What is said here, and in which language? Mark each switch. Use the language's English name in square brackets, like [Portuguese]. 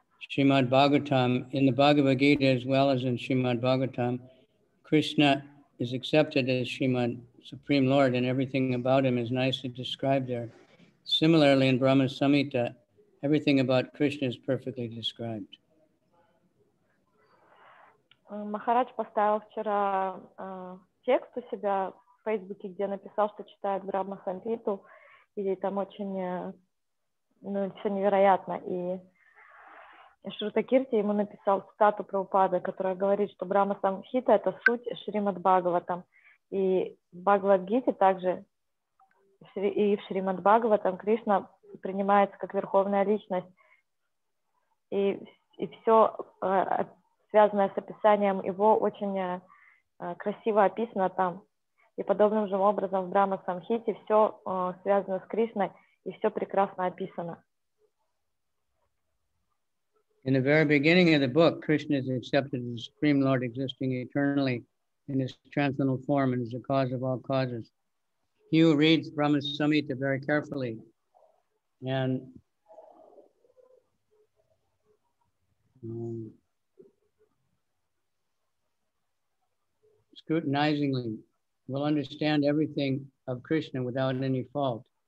[English] Srimad Bhagavatam, in the Bhagavad Gita as well as in Srimad Bhagavatam, Krishna is accepted as Srimad Supreme Lord and everything about him is nicely described there. Similarly, in Brahma Samhita, everything about Krishna is perfectly described. [Russian] Maharaj поставил вчера текст у себя в Фейсбуке, где написал, что читает Брахма Самхиту, и там очень... Ну, все невероятно. И Шрута Кирти ему написал цитату Прабхупады, которая говорит, что Брахма Самхита — это суть Шримад Бхагаватам. И в Бхагавад-гите также, и в Шримад Бхагаватам Кришна принимается как Верховная Личность. И все связанное с описанием его очень красиво описано там. И подобным же образом в Брахма Самхите все связано с Кришной, и все прекрасно описано. [English] In the very beginning of the book, Krishna is accepted as the Supreme Lord existing eternally in his transcendental form and is the cause of all causes. He who reads Brahma-Samhita very carefully and scrutinizingly will understand everything of Krishna without any fault.